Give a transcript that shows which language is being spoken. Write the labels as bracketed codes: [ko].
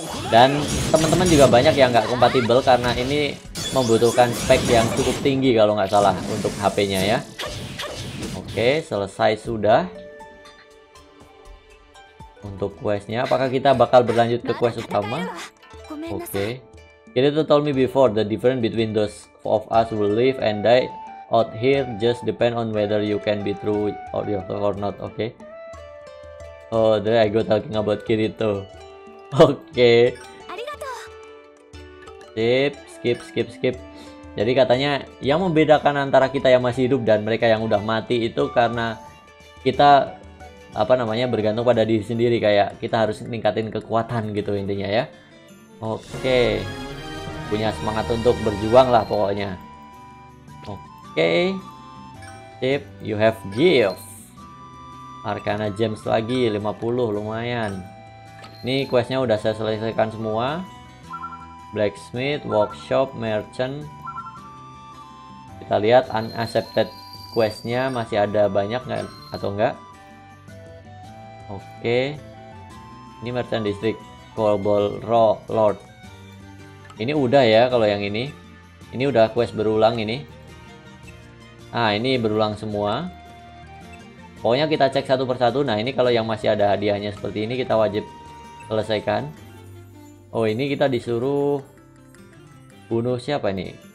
[id] Dan teman-teman juga banyak yang nggak kompatibel karena ini membutuhkan spek yang cukup tinggi kalau nggak salah untuk HP-nya ya. Oke, selesai sudah untuk questnya. Apakah kita bakal berlanjut ke quest utama? Oke. [en] Kirito told me before the difference between those of us who live and die out here just depend on whether you can be true or not. Oke. Oh, there I go talking about Kirito. Oke. Skip. [id] Jadi katanya yang membedakan antara kita yang masih hidup dan mereka yang udah mati itu karena kita apa namanya bergantung pada diri sendiri, kayak kita harus ningkatin kekuatan gitu intinya ya. Oke. Punya semangat untuk berjuang lah pokoknya. Oke. Sip, [en] you have gift. [id] Arcana gems lagi 50, lumayan. Ini questnya udah saya selesaikan semua. Blacksmith, workshop, merchant. Kita lihat unaccepted questnya masih ada banyak nggak atau enggak? Oke. Ini Merchant District, Cobble Lord. Ini udah ya kalau yang ini. Ini udah quest berulang ini. Ah, ini berulang semua. Pokoknya kita cek satu persatu. Nah, ini kalau yang masih ada hadiahnya seperti ini kita wajib selesaikan. Oh, ini kita disuruh bunuh siapa ini?